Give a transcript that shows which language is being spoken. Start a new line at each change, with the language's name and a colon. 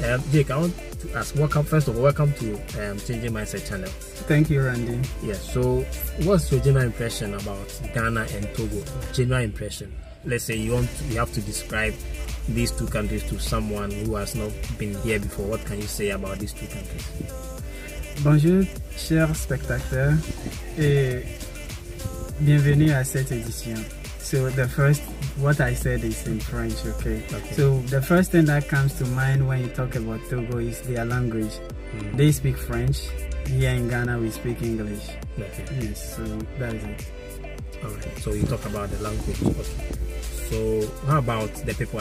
English: Jake, I want to ask, welcome to Changing Mindset channel. Thank you, Randy. Yeah, so what's your general impression about Ghana and Togo? General impression. Let's say you have to describe these two countries to someone who has not been here before. What can you say about these two countries?
French: Bonjour, chers spectateurs, et bienvenue à cette édition.
English: So the first, what I said is in French, okay? So the first thing that comes to mind when you talk about Togo is their language. Mm-hmm. They speak French. Here in Ghana, we speak English. Okay. Yes, so that is it. All right, so you talk about the language. Okay. So how about the people?